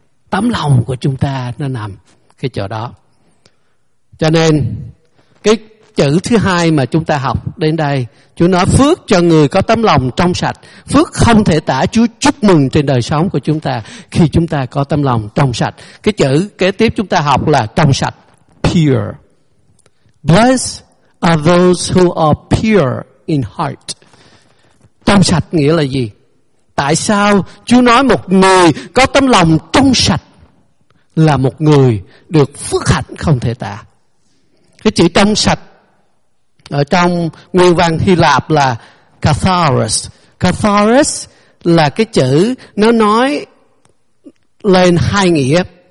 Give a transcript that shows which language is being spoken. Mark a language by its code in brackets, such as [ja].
[vi] Tấm lòng của chúng ta nó nằm cái chỗ đó. Cho nên cái chữ thứ hai mà chúng ta học đến đây, Chúa nói phước cho người có tấm lòng trong sạch. Phước không thể tả, Chúa chúc mừng trên đời sống của chúng ta khi chúng ta có tấm lòng trong sạch. Cái chữ kế tiếp chúng ta học là trong sạch, pure. [en] Blessed are those who are pure in heart. [vi] Trong sạch nghĩa là gì? Tại sao Chúa nói một người có tấm lòng trong sạch là một người được phước hạnh không thể tả? Cái chữ trong sạch ở trong nguyên văn Hy Lạp là katharos. Katharos là cái chữ nó nói lên hai nghĩa.